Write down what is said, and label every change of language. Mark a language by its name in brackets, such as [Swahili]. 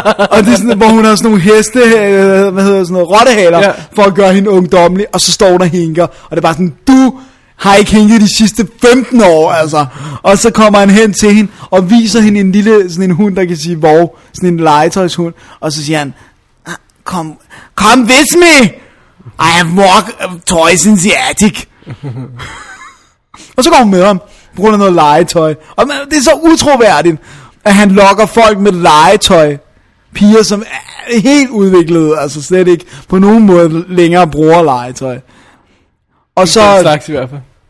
[Danish] Og det er sådan, hvor hun har sådan nogle heste, hvad hedder sådan noget, rottehaler, ja, for at gøre hende ungdommelig, og så står hun og hinker, og det er bare sådan, du har ikke hængt de sidste 15 år, altså. Og så kommer han hen til hende, og viser hende en lille, sådan en hund, der kan sige, hvor, sådan en legetøjshund. Og så siger han, kom [English] with me, I have more toys in the attic. [Danish] Og så går hun med ham, på grund af noget legetøj. Og det er så utroværdigt, at han lokker folk med legetøj. Piger, som er helt udviklet, altså slet ikke på nogen måde længere bruger legetøj. Og så... Det er slags i hvert fald.